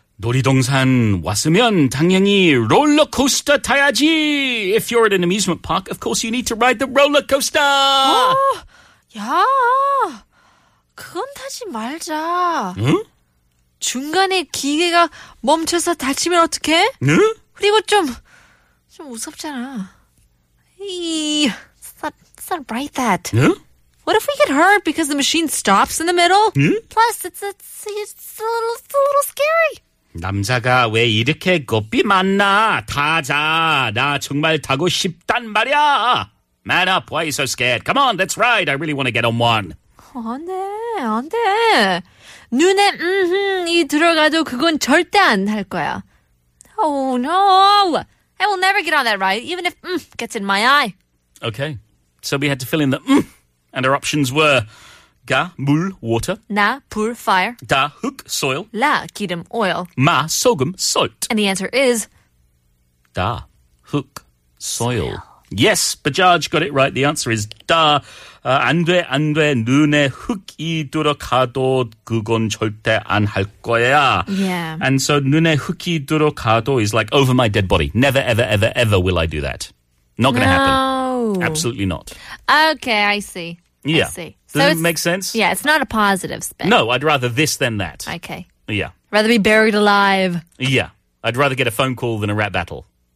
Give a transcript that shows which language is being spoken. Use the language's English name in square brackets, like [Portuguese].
[Korean] 놀이동산 왔으면 당연히 롤러코스터 타야지. [English] If you're at an amusement park, of course you need to ride the roller coaster. Oh, yeah. [Korean] 그건 타지 말자. 응? 중간에 기계가 멈춰서 다치면 어떡해? 응? 그리고 좀 무섭잖아. 에이, [English] not right that. [Korean] 응? [English] What if we get hurt because the machine stops in the middle? [Korean] 응? [English] Plus, it's a little scary. [Korean] 남자가 왜 이렇게 겁이 많나? 타자, 나 정말 타고 싶단 말이야. [English] Man up, why are you so scared? Come on, let's ride. I really want to get on one. [Korean] 안 돼. 눈에 이 들어가도 그건 절대 안 할 거야. [English] Oh, no. I will never get on that ride, even if gets in my eye. Okay. So we had to fill in the and our options were 가, 물, water. 나, 불, fire. 다, hook, soil. 라, 기름, oil. 마, 소금, salt. And the answer is 다, hook, soil. Yes, Bajaj got it right. The answer is 다. [Korean] 안 돼, 눈에 흙이 들어가도 그건 절대 안 할 거야. [English] Yeah. And so [Korean] 눈에 흙이 들어가도 [English] is like over my dead body. Never, ever, ever, ever will I do that. Not going to happen. Absolutely not. Okay, I see. Yeah. I see. So does it make sense? Yeah, it's not a positive spin. No, I'd rather this than that. Okay. Yeah. Rather be buried alive. Yeah. I'd rather get a phone call than a rap battle.